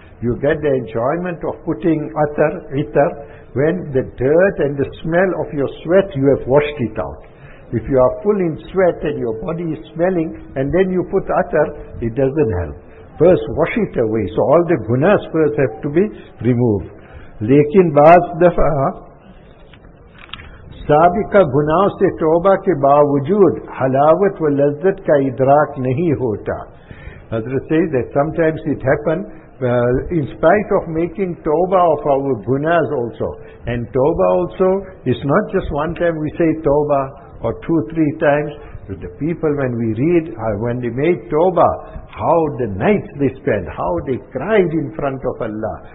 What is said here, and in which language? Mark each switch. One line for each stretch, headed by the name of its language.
English: You get the enjoyment of putting itar when the dirt and the smell of your sweat, you have washed it out. If you are full in sweat and your body is smelling and then you put itar, it doesn't help. First wash it away. So all the gunas first have to be removed.
Urdu: Lekin baaz dafa سابقہ گناہوں سے توبہ کے باوجود حلاوت و لذت کا ادراک نہیں ہوتا.
English: حضرت says that sometimes it happens in spite of making توبہ of our gunas also. And توبہ also is not just one time we say توبہ or two, three times. But the people when we read, when they made توبہ, how the nights they spent, how they cried in front of Allah.